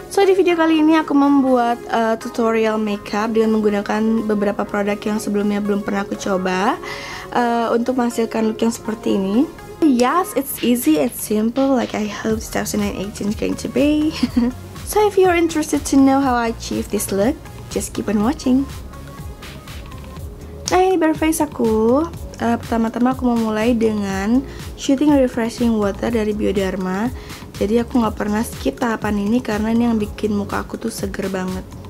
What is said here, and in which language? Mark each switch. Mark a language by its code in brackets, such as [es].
[id] So, di video kali ini aku membuat tutorial makeup dengan menggunakan beberapa produk yang sebelumnya belum pernah aku coba untuk menghasilkan look yang seperti ini. [en] Yes, it's easy and simple, like I hope 2018 is going to be. So if you're interested to know how I achieve this look, just keep on watching. [id] Nah, ini bare face aku. Pertama-tama aku mau mulai dengan Shooting Refreshing Water dari Bioderma. Jadi aku gak pernah skip tahapan ini karena ini yang bikin muka aku tuh seger banget.